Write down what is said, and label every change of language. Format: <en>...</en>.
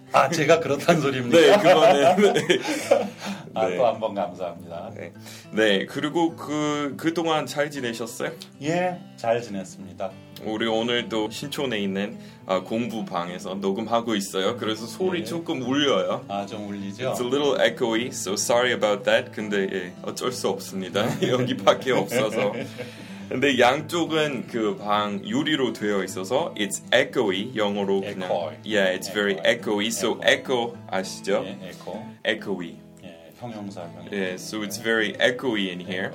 <ko>아 제가 그렇단 소리입니까? 네, 그거는 네. 아, 또 한 번 감사합니다. 네. 네, 그리고 그동안 잘 지내셨어요? 예, 잘 지냈습니다. 우리 오늘도 신촌에 있는 아, 공부방에서 녹음하고 있어요. 그래서 소리 예. 조금 울려요. 아, 좀 울리죠?</ko> <en>It's a little echoey, so sorry about that.</en> <ko>근데 예, 어쩔 수 없습니다. 여기 밖에 없어서. 근데 양쪽은 그 방 유리로 되어 있어서</ko> <en>it's echoey</en> <ko>영어로</ko> <en>echo. 그냥 yeah it's echo. very echoey so echo</en> <ko>아시죠? 예, echo</ko> <en>echoey</en> <ko>예, 형용사</ko> <en>예, so it's very echoey in here.</en>